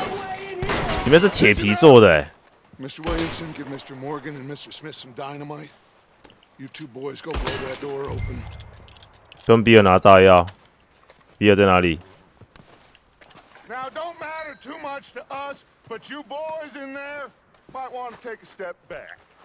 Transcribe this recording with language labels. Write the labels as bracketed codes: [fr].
[zh] 腰间快速射击。里面是铁皮做的。Mr. [en] Williamson, give Mr. Morgan and Mr. Smith some dynamite. You two boys go blow that door open. [zh] 跟比尔拿炸药，比尔在哪里 [en] ？Now don't matter too much to us, but you boys in there might want to take a step back.